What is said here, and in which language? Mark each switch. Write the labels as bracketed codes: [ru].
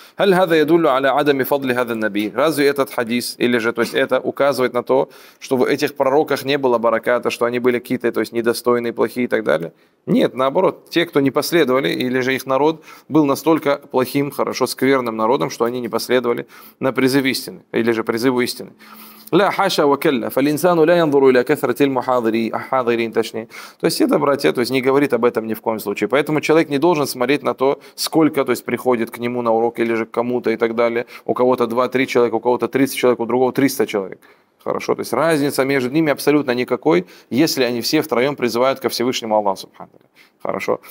[ar] «Халь хаза ядуллю аля адами фадли хаза наби». [ru] Разве этот хадис, или же, то есть, это указывает на то, что в этих пророках не было бараката, что они были какие-то, то есть, недостойные, плохие и так далее? Нет, наоборот, те, кто не последовали, или же их народ был настолько плохим, хорошо, скверным народом, что они не последовали на призыв истины, или же призыву истины. [ar] لا حاشا وكلا فالانسان لا ينظر الى كثره المحاضرين [ru] точнее. То есть это, братья, то есть не говорит об этом ни в коем случае. Поэтому человек не должен смотреть на то, сколько, то есть приходит к нему на урок или же к кому-то и так далее. У кого-то 2-3 человека, у кого-то 30 человек, у другого 300 человек. Хорошо, то есть разница между ними абсолютно никакой, если они все втроем призывают ко Всевышнему Аллаху Субхану Тааля. Хорошо.